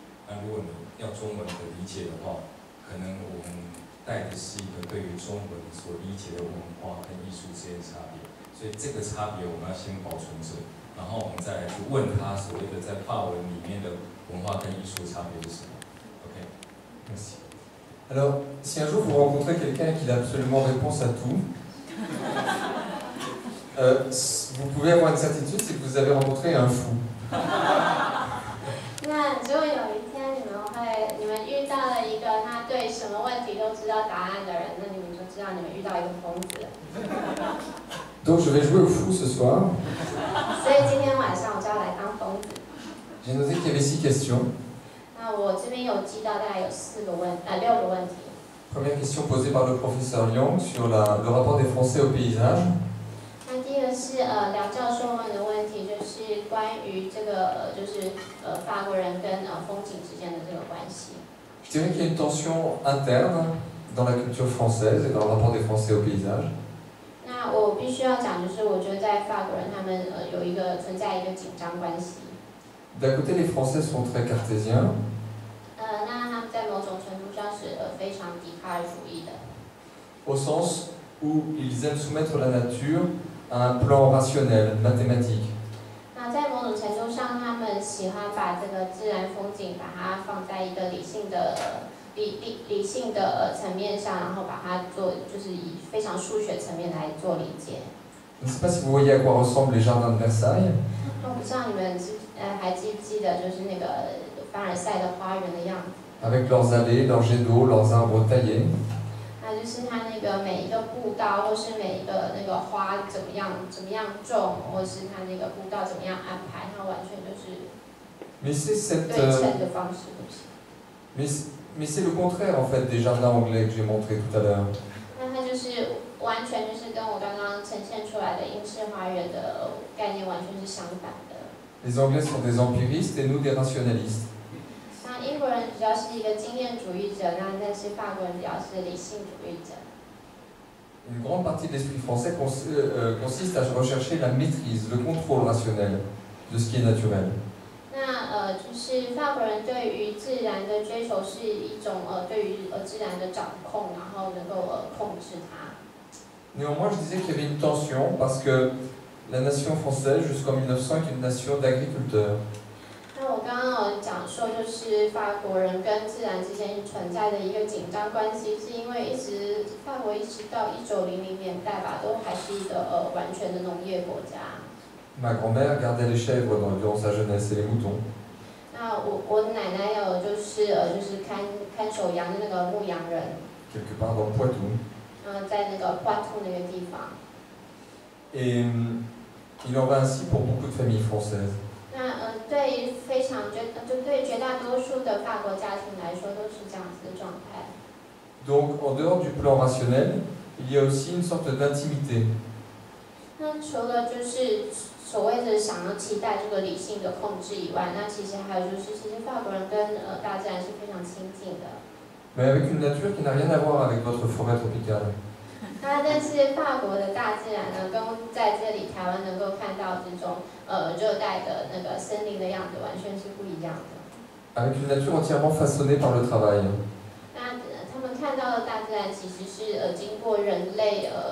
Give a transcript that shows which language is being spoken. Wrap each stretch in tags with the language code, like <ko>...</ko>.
<zh>那如果你要中文的理解的话，可能我们带的是一个对于中文所理解的文化跟艺术之间的差别，所以这个差别我们要先保存着，然后我们再来去问他所谓的在法文里面的文化跟艺术的差别是什么。 OK，</zh> <fr>merci。 Alors, si un jour vous rencontrez quelqu'un qui a absolument réponse à tout, vous pouvez avoir une certitude, c'est que vous avez rencontré un fou.</fr> <zh>那如果有一天你们遇到了一个他对什么问题都知道答案的人，那你们就知道你们遇到一个疯子了。</zh> <fr>Donc je vais jouer au fou ce soir.</fr> <zh>所以今天晚上我就要来当疯子。</zh> <fr>J'ai noté qu'il y avait six questions.</fr> <zh>那我这边有记到大概有六个问题。</zh> <fr>Première question posée par le professeur Lyon sur le rapport des Français au paysage.</fr> <zh>那第一个是梁教授问的问题，就是关于这个就是。法国人跟风景之间的这个关系。</zh> <fr>Je dirais qu'il y a une tension interne dans la culture française et dans le rapport des Français au paysage.</fr> <zh>那我必须要讲，就是我觉得在法国人他们有一个存在一个紧张关系。</zh> <fr>D'un côté, les Français sont très cartésiens.</fr> <zh>那他们在某种程度上是非常笛卡尔主义的。</zh> <fr>Au sens où ils aiment soumettre la nature à un plan rationnel, mathématique.</fr> <zh>在某种程度上，他们喜欢把这个自然风景把它放在一个理性的层面上，然后把它做就是以非常数学层面来做理解。</zh> <fr>Je ne sais pas si vous voyez à quoi ressemblent les jardins de Versailles。</fr> <zh>我不知道你们还记不记得，就是那个凡尔赛的花园的样子。</zh> <fr>Avec leurs allées, leurs jets d'eau, leurs arbres taillés。</fr> <zh>那就是它那个每一个步道，或是每一个那个花怎么样种，或是它那个步道怎么样安排，它完全就是对称的方式东西。</zh> <fr>Mais c'est le contraire en fait des jardins anglais que j'ai montré tout à l'heure。</fr> <zh>那它就是完全就是跟我刚刚呈现出来的英式花园的概念完全是相反的。</zh> <fr>Les Anglais sont des empiristes et nous des rationalistes。</fr> <zh>英国人比较是一个经验主义者，那但是法国人比较是理性主义者。</zh> <fr>Une grande partie de l'esprit français consiste à rechercher la maîtrise, le contrôle rationnel de ce qui est naturel.</fr> <zh>那就是法国人对于自然的追求是一种对于自然的掌控，然后能够控制它。</zh> <fr>Néanmoins, je disais qu'il y avait une tension parce que la nation française jusqu'en 1900 est une nation d'agriculteurs.</fr> <zh>那我刚刚讲。讲说，就是法国人跟自然之间存在的一个紧张关系，是因为一直法国一直到1900年代吧，都还是一个完全的农业国家。</zh> <fr>Ma grand-mère gardait les chèvres dans durant sa jeunesse et les moutons.</fr> <zh>那我奶奶有就是看守羊的那个牧羊人。</zh> <fr>Quelque part dans Poitou.</fr> <zh>在那个 Poitou 那个地方。</zh> <fr>Et il en va ainsi pour beaucoup de familles françaises.</fr> <zh>那对于非常就对绝大多数的法国家庭来说都是这样子的状态。</zh> <fr>Donc en dehors du plan rationnel, il y a aussi une sorte d'intimité.</fr> <zh>那除了就是所谓的想要期待这个理性的控制以外，那其实还有就是，其实法国人跟大自然是非常亲近的。</zh> <fr>Mais avec une nature qui n'a rien à voir avec votre forêt tropicale.</fr> <zh>那但是法国的大自然呢，跟在这里台湾能够看到这种热带的那个森林的样子，完全是不一样的。</zh> <fr>Avec une nature entièrement façonnée par le travail.</fr> <zh>那他们看到的大自然其实是经过人类</zh>